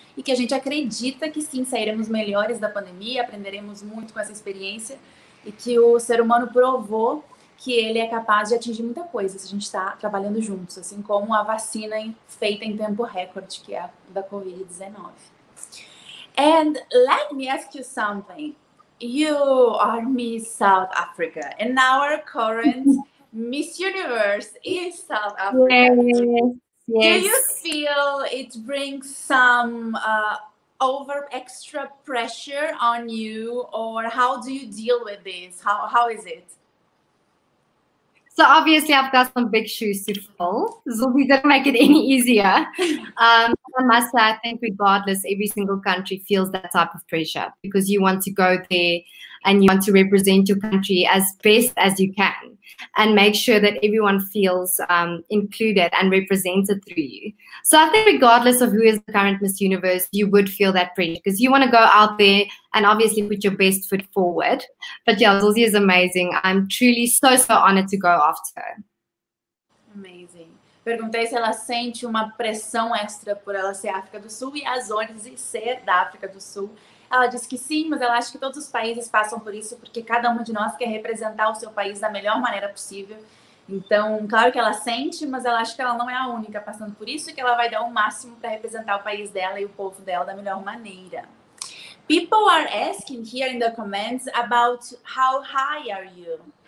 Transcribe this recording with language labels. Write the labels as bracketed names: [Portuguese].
[Portuguese] E que a gente acredita que, sim, sairemos melhores da pandemia, aprenderemos muito com essa experiência. E que o ser humano provou que ele é capaz de atingir muita coisa se a gente está trabalhando juntos, assim como a vacina feita em tempo recorde, que é a da COVID-19. [English] And let me ask you something. You are Miss South Africa, and our current Miss Universe is South Africa. Yes. Do you feel it brings some over extra pressure on you, or how do you deal with this? How is it? So obviously I've got some big shoes to fill, so we didn't make it any easier. I must say, I think regardless, every single country feels that type of pressure because you want to go there and you want to represent your country as best as you can and make sure that everyone feels included and represented through you. So I think regardless of who is the current Miss Universe, you would feel that pressure because you want to go out there and obviously put your best foot forward. But yeah, Zulzi is amazing. I'm truly so, so honored to go after her. Amazing. [Portuguese] Perguntei se ela sente uma pressão extra por ela ser África do Sul e as ONGs ser da África do Sul. Ela disse que sim, mas ela acha que todos os países passam por isso porque cada um de nós quer representar o seu país da melhor maneira possível. Então, claro que ela sente, mas ela acha que ela não é a única passando por isso e que ela vai dar o máximo para representar o país dela e o povo dela da melhor maneira. [English] People are asking here in the comments about how high are you?